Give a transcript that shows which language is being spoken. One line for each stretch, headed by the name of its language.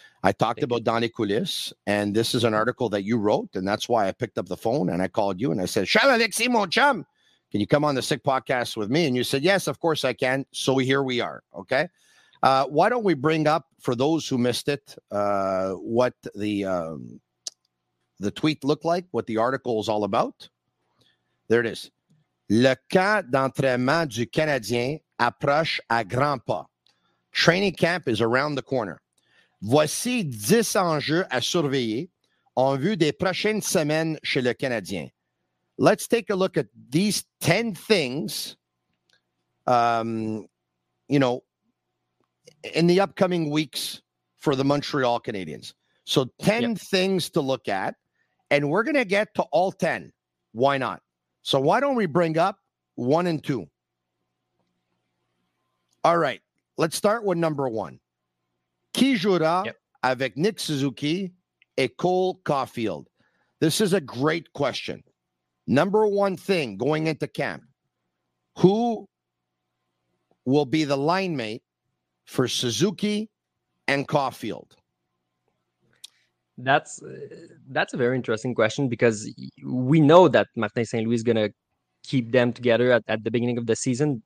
English: I talked about Donny Coulis, and this is an article that you wrote, and that's why I picked up the phone and I called you and I said, Shall Alexi Mon Chum, can you come on the Sick Podcast with me? And you said, yes, of course I can. So here we are. Okay. Why don't we bring up, for those who missed it, what the tweet looked like, what the article is all about. There it is.
French: Le camp d'entraînement du Canadien approche à grands pas.
English: Training camp is around the corner.
French: Voici 10 enjeux à surveiller en vue des prochaines semaines chez le Canadien.
English: Let's take a look at these 10 things, in the upcoming weeks for the Montreal Canadiens. So 10 things to look at, and we're going to get to all 10. Why not? So why don't we bring up 1 and 2? All right. Let's start with number one.
French: Qui jouera avec Nick Suzuki et Cole Caulfield?
English: This is a great question. Number one thing going into camp, who will be the line mate for Suzuki and Caulfield? That's a very interesting question because we know that Martin Saint-Louis is going to keep them together at the beginning of the season.